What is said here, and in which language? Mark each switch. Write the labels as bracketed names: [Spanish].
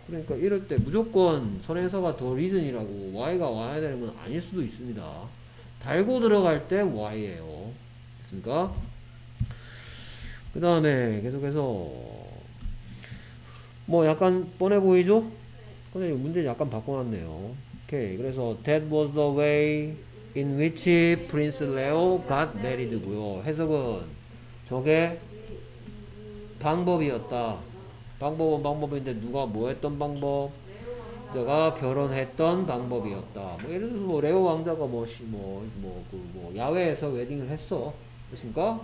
[Korean] 그러니까 이럴 때 무조건 선행사가 the reason이라고 why가 와야 되는 건 아닐 수도 있습니다. 달고 들어갈 때 why예요. 됐습니까? 그 다음에 계속해서 뭐 약간 뻔해 보이죠? 근데 문제 약간 바꿔놨네요. 오케이. [English] 그래서 that was the way in which Prince Leo got married고요. [Korean] 해석은 저게 방법이었다. 방법은 방법인데 누가 뭐 했던 방법? 제가 결혼했던 방법이었다. 뭐 예를 들어서 뭐 레오 왕자가 뭐 야외에서 웨딩을 했어. 그렇습니까?